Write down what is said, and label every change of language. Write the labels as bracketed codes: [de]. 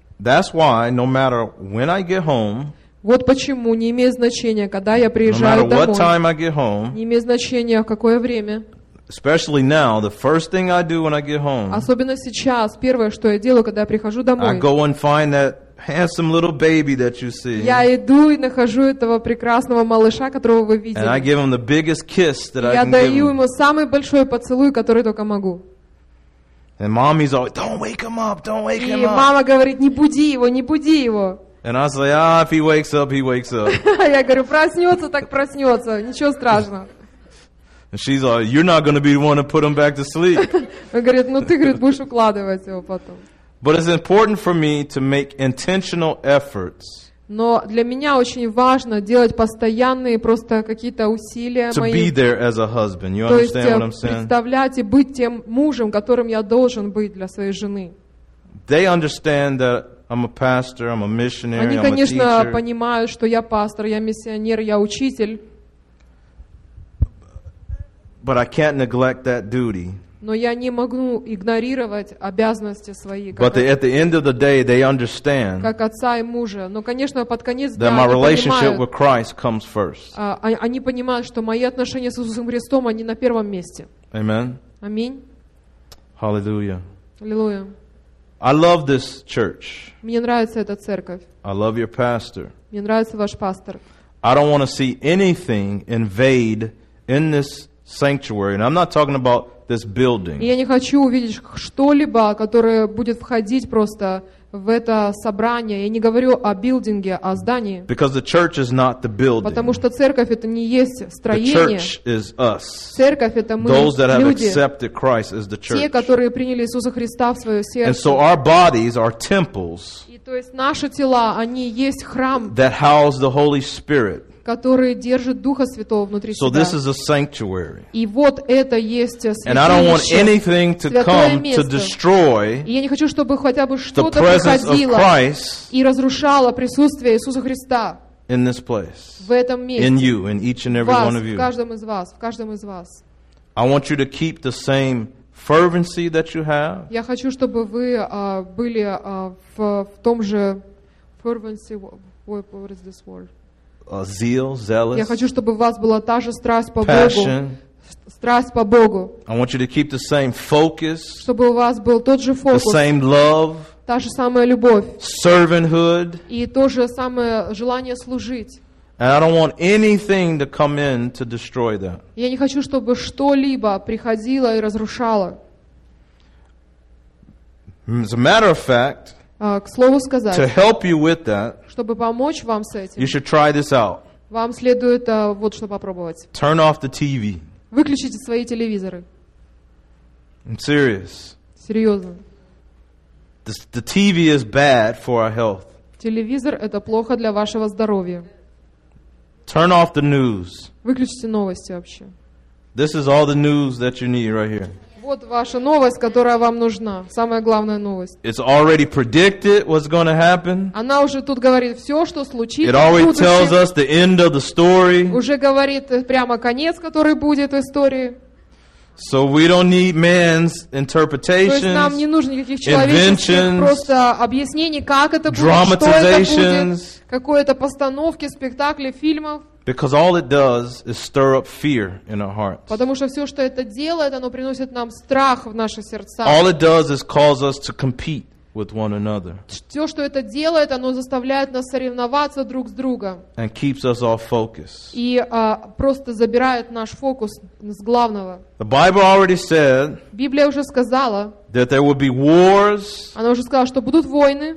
[en] That's why, no matter when I get home, [ru] вот почему, не имеет значения, когда я приезжаю [en] no matter [ru] домой, [en] what time I get home, [ru] не имеет значения, в какое время, [en] especially now, the first thing I do when I get home, [ru] особенно сейчас, первое, что я делаю, когда я прихожу домой, [en] I go and find that handsome little baby that you see. [ru] Я иду и нахожу этого прекрасного малыша, которого вы видели. [en] And I give him the biggest kiss that I can give. [ru] Я даю ему самый большой поцелуй, который только могу. [en] And mommy's always, don't wake him up, don't wake him up. [ru] И мама говорит, не буди его, не буди его. [en] And I say, if he wakes up, he wakes up. [ru] Я говорю, проснется, так проснется, ничего страшного. [en] And she's like, you're not going to be the one to put him back to sleep. [ru] Она говорит, ну ты, говорит, будешь укладывать его потом. [en] But it's important for me to make intentional efforts. [ru] Но для меня очень важно делать постоянные просто какие-то усилия [en] to [ru] мои. [en] Be there as a husband. You [ru] то есть [en] understand what I'm saying? [ru] Представлять и быть тем мужем, которым я должен быть для своей жены. [en] They understand that I'm a pastor, I'm a missionary, [ru] они, [en] I'm [ru] конечно, [en] a teacher. [ru] Понимают, что я пастор, я миссионер, я учитель. [en] But I can't neglect that duty. [ru] Но я не могу игнорировать обязанности свои. [en] But at the end of the day, they understand. [ru] Как отца и мужа. Но, конечно, под конец дня [en] my relationship with Christ comes first. [ru] Они понимают, что мои отношения с Иисусом Христом они на первом месте. [en] Amen. [ru] Аминь. [en] Hallelujah. Hallelujah. I love this church. [ru] Мне нравится эта церковь. [en] I love your pastor. [ru] Мне нравится ваш пастор. [en] I don't want to see anything invade in this sanctuary, and I'm not talking about this building. [ru] Я не хочу увидеть что-либо, которое будет входить просто в это собрание. Я не говорю о билдинге, о здании. [en] Because the church is not the building. [ru] Потому что церковь это не есть строение. [en] The church is us. [ru] Церковь это мы, [en] those that have [ru] люди, [en] accepted Christ as the church. [ru] Те, которые приняли Иисуса Христа в свое сердце. [en] And so our bodies are temples. [ru] И то есть наши тела, они есть храм. [en] That house the Holy Spirit. [ru] Которые держат Духа Святого внутри [en] so [ru] себя. И вот это есть святое место. И я не хочу, чтобы хотя бы что-то приходило и разрушало присутствие Иисуса Христа [en] in this place, [ru] в этом месте, [en] in you, in each and every [ru] вас, [en] one of you. [ru] В каждом из вас, в каждом из вас. [en] I want you to keep the same fervency that you have. [ru] Я хочу, чтобы вы были в том же [en] fervency, what is this word? zeal, zealous. [ru] Я хочу, чтобы у вас была та же страсть по [en] passion. [ru] Богу. Страсть по Богу. [en] I want you to keep the same focus. [ru] Чтобы у вас был тот же фокус. [en] The same love. [ru] Та же самая любовь. [en] Servanthood. [ru] И то же самое желание служить. [en] And I don't want anything to come in to destroy that. [ru] Я не хочу, чтобы что-либо приходило и разрушало. [en] As a matter of fact, [ru] к слову сказать, [en] to help you with that, [ru] чтобы помочь вам с этим, [en] you should try this out. [ru] Вам следует вот что попробовать. [en] Turn off the TV. [ru] Выключите свои телевизоры. [en] I'm serious. [ru] Серьезно. [en] The TV is bad for our health. [ru] Телевизор – это плохо для вашего здоровья. [en] Turn off the news. [ru] Выключите новости вообще. [en] This is all the news that you need right here. [ru] Вот ваша новость, которая вам нужна. Самая главная новость. [en] It's already predicted what's going to happen. [ru] Она уже тут говорит все, что случится. [en] It always tells us the end of the story. [ru] Уже говорит прямо конец, который будет в истории. [en] So we don't need man's interpretations. [ru] То есть нам не нужно никаких человеческих просто объяснений, как это будет, что это будет, какой-то постановки, спектакли, фильмов. [en] Because all it does is stir up fear in our hearts. [ru] Потому что все, что это делает, оно приносит нам страх в наши сердца. [en] All it does is cause us to compete with one another. [ru] Все, что это делает, оно заставляет нас соревноваться друг с другом. [en] And keeps us off focus. [ru] И просто забирает наш фокус с главного. [en] The Bible already said. [ru] Библия уже сказала. [en] That there will be wars. [ru] Она уже сказала, что будут войны.